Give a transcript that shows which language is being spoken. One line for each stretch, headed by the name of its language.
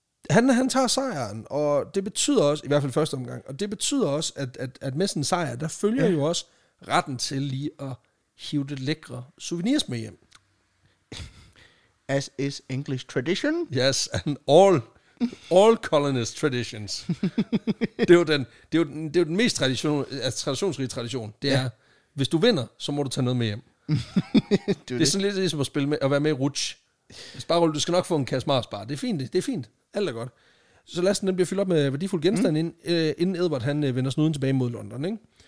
Danish: Han tager sejren, og det betyder også, i hvert fald første omgang, og det betyder også, at med sådan en sejr, der følger jo også retten til lige at hive det lækre souvenirs med hjem.
English: As is English tradition. Yes, and all colonist traditions.
Danish: det er jo den mest traditionsrige tradition. Det er, hvis du vinder, så må du tage noget med hjem. det er sådan lidt ligesom at være med i rutsch. Sparrol, du skal nok få en kasse marsbar. Det er fint. Alt er godt. Så lad os den blive fyldt op med værdifuld genstand, inden Edvard han vender snuden tilbage mod London. Ikke?